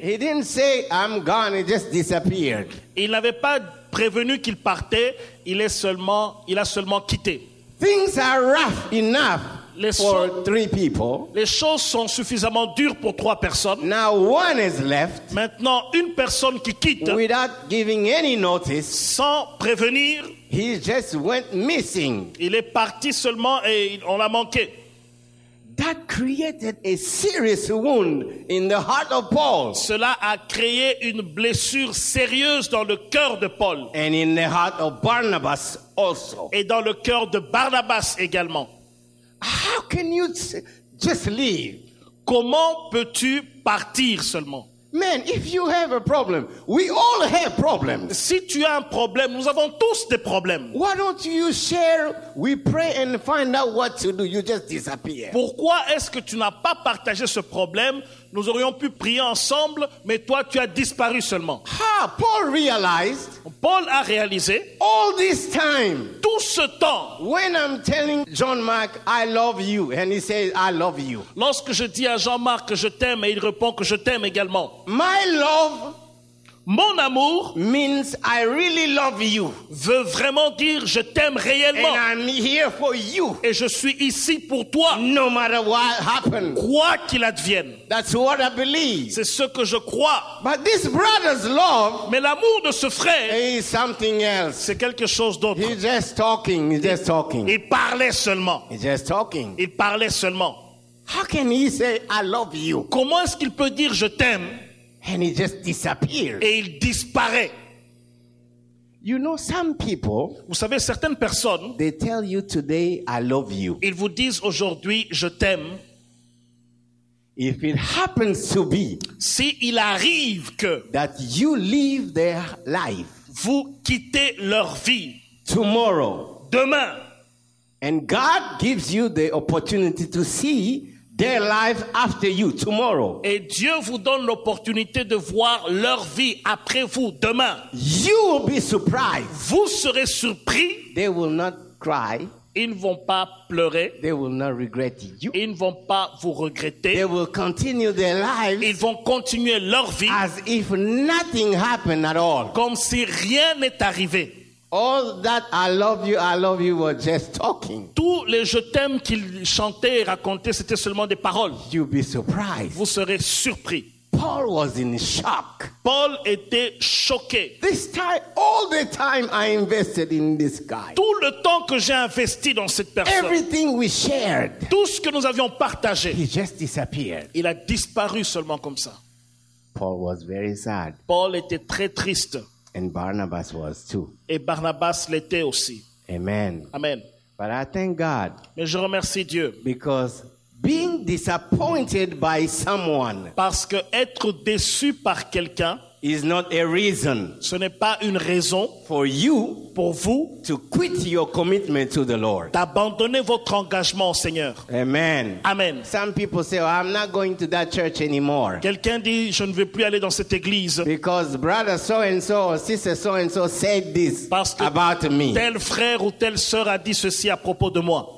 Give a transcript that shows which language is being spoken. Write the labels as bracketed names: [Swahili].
[English] He didn't say, I'm gone, he just disappeared. [French] Il n'avait pas prévenu qu'il partait, il a seulement quitté. [English] Things are rough enough. For three people. [French] Les choses sont suffisamment dures pour trois personnes. [English] Now one is left. [French] Maintenant, une personne qui quitte. [English] Without giving any notice. [French] Sans prévenir. [English] He just went missing. [French] Il est parti seulement et on l'a manqué. [English] That created a serious wound in the heart of Paul. [French] Cela a créé une blessure sérieuse dans le cœur de Paul. [English] And in the heart of Barnabas also. [French] Et dans le cœur de Barnabas également. [English] How can you just leave? [French] Comment peux-tu partir seulement? [English] Man, if you have a problem, we all have problems. [French] Si tu as un problème, nous avons tous des problèmes. [English] Why don't you share? We pray and find out what to do. You just disappear. [French] Pourquoi est-ce que tu n'as pas partagé ce problème? Nous aurions pu prier ensemble, mais toi, tu as disparu seulement. [English] Ah, Paul realized. [French] Paul a réalisé. [English] All this time. [French] Tout ce temps. [English] When I'm telling Jean-Marc, I love you, and he says, I love you. [French] Lorsque je dis à Jean-Marc que je t'aime, et il répond que je t'aime également. [English] My love. [French] Mon amour. [English] Means I really love you. [French] Veut vraiment dire je t'aime réellement. [English] And I'm here for you. [French] Et je suis ici pour toi. [English] No matter what happens. [French] Quoi qu'il advienne. [English] That's what I believe. [French] C'est ce que je crois. [English] But this brother's love. [French] Mais l'amour de ce frère. [English] Is something else. [French] C'est quelque chose d'autre. [English] He's just talking. [French] Il parlait seulement. [English] He's just talking. [French] Il parlait seulement. [English] How can he say I love you? [French] Comment est-ce qu'il peut dire je t'aime? [English] And he just disappears. [French] Et il disparaît. [English] You know, some people. [French] Vous savez, certaines personnes. [English] They tell you today, I love you. [French] Ils vous disent aujourd'hui, je t'aime. [English] If it happens to be. [French] Si il arrive que. [English] That you leave their life. [French] Vous quittez leur vie. [English] Tomorrow. [French] Demain. [English] And God gives you the opportunity to see. Their life after you, tomorrow. [French] Et Dieu vous donne l'opportunité de voir leur vie après vous, demain. [English] You will be surprised. [French] Vous serez surpris. [English] They will not cry. [French] Ils ne vont pas pleurer. [English] They will not regret you. [French] Ils ne vont pas vous regretter. [English] They will continue their lives. [French] Ils vont continuer leur vie. [English] As if nothing happened at all. [French] Comme si rien n'est arrivé. [English] All that I love you were just talking. [French] Tous les je t'aime qu'il chantait et racontait, c'était seulement des paroles. [English] You'll be surprised. [French] Vous serez surpris. [English] Paul was in shock. [French] Paul était choqué. [English] This time, all the time I invested in this guy. [French] Tout le temps que j'ai investi dans cette personne. [English] Everything we shared. [French] Tout ce que nous avions partagé. [English] He just disappeared. [French] Il a disparu seulement comme ça. [English] Paul was very sad. [French] Paul était très triste. [English] And Barnabas was too. [French] Et Barnabas l'était aussi. [English] Amen. [French] Amen. [English] But I thank God. [French] Mais je remercie Dieu. [English] Because being disappointed by someone. [French] Parce que être déçu par quelqu'un. [English] Is not a reason. [French] Ce n'est pas une raison. [English] For you. [French] Pour vous. [English] To quit your commitment to the Lord. [French] D'abandonner votre engagement au Seigneur. [English] Amen. [French] Amen. [English] Some people say, oh, I'm not going to that church anymore. [French] Quelqu'un dit, je ne vais plus aller dans cette église. [English] Because brother so and so or sister so and so said this [French] parce que [English] about me. [French] Tel frère ou telle sœur a dit ceci à propos de moi.